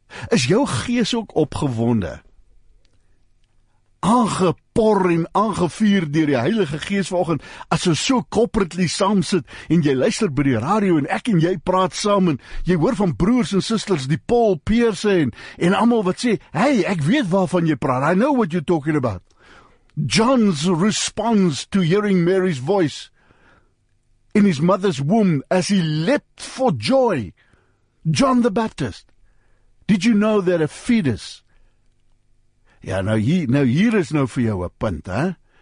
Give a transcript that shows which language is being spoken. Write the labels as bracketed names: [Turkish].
[Afrikaans] Is jou gees ook opgewonde? Aangepor en aangevuur deur die Heilige Gees vanoggend, as ons so corporately saam sit en jy luister by die radio en ek en jy praat saam en jy hoor van broers en susters die Paul Pierce en almal wat sê, "Hey, ek weet waarvan jy praat. [English] I know what you're talking about." John's response to hearing Mary's voice in his mother's womb as he leapt for joy. John the Baptist. Did you know that a fetus? [Afrikaans] Ja, hier is nou vir jou 'n punt, hè?